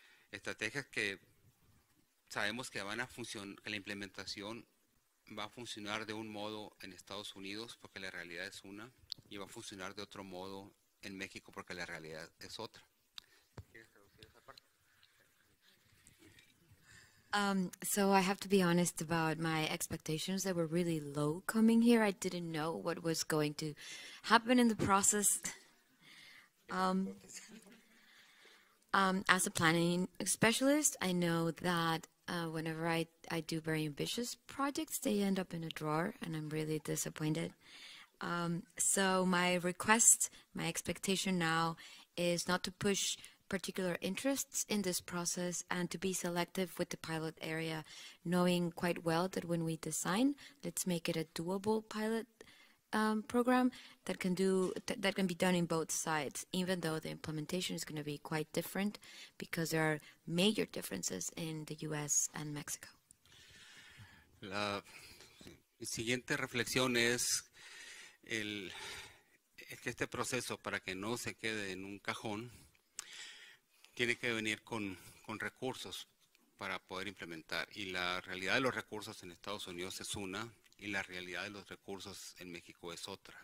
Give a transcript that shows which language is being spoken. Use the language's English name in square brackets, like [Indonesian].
[Spanish] Estrategias que sabemos que van a funcionar, que la implementación va a funcionar de un modo en Estados Unidos, porque la realidad es una, y va a funcionar de otro modo en México, porque la realidad es otra. [English] So I have to be honest about my expectations. They were really low coming here. I didn't know what was going to happen in the process. As a planning specialist, I know that whenever I do very ambitious projects, they end up in a drawer, and I'm really disappointed. So my request, my expectation now is not to push particular interests in this process, and to be selective with the pilot area, knowing quite well that when we design, let's make it a doable pilot program that can do that can be done in both sides, even though the implementation is going to be quite different because there are major differences in the US and Mexico. [Spanish] La siguiente reflexión es que este proceso, para que no se quede en un cajón, tiene que venir con recursos para poder implementar. Y la realidad de los recursos en Estados Unidos es una, y la realidad de los recursos en México es otra.